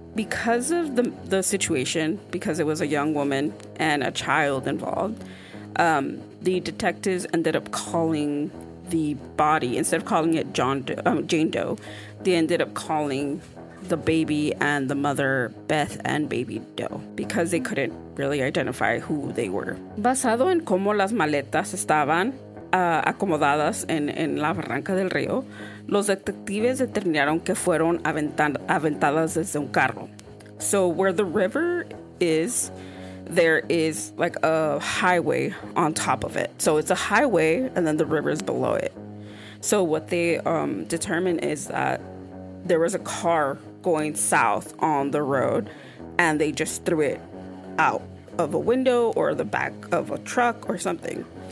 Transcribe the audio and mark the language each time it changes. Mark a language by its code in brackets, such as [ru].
[en] Because of the situation, because it was a young woman and a child involved, the detectives ended up calling the body, instead of calling it Jane Doe, they ended up calling the baby and the mother Beth and Baby Doe, because they couldn't really identify who they were. [es] Basado en cómo las maletas estaban acomodadas en la barranca del río, los detectives determinaron que fueron aventadas desde un carro. [en] So where the river is, there is like a highway on top of it. So it's a highway and then the river is below it. So what they determined is that there was a car going south on the road and they just threw it out of a window or the back of a truck or something.